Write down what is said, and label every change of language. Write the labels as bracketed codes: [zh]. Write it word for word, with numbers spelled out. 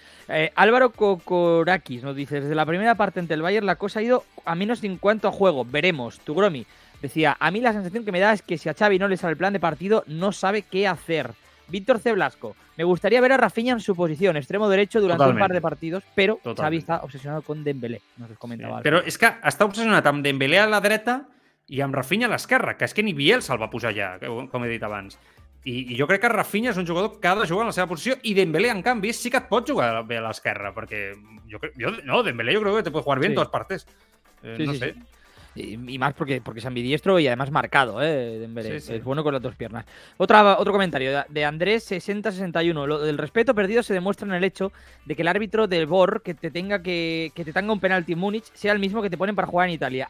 [es] Eh, Álvaro Kokorakis nos dice: desde la primera parte ante el Bayern la cosa ha ido a menos en cuanto a juego, veremos. Tugromi decía: a mí la sensación que me da es que si a Xavi no le sale el plan de partido no sabe qué hacer. Víctor C. Blasco: me gustaría ver a Rafinha en su posición, extremo derecho, durante Totalmente. un par de partidos, pero Totalmente. Xavi está obsesionado con Dembélé, nos comentava. [ca] Sí, però és que està obsessionat amb Dembélé a la dreta i amb Rafinha a l'esquerra, que és que ni Bielsa el va pujar ja, com he dit abans. I, I jo crec que Rafinha és un jugador que ha de jugar en la seva posició i Dembélé, en canvi, sí que et pot jugar bé a l'esquerra, perquè jo crec, jo, no, Dembélé jo crec que [es] te pot jugar bien sí. [ca] en totes partes. Eh, sí, no sí, sé. Sí. [es] Y, y más porque, porque es ambidiestro y además marcado, ¿eh? Dembélé. Sí, sí. Es bueno con las dos piernas. Otra, otro comentario de Andrés sesenta sesenta y uno. Lo del respeto perdido se demuestra en el hecho de que el árbitro del B O R que te tenga que, que te tenga un penalti en Múnich sea el mismo que te ponen para jugar en Italia.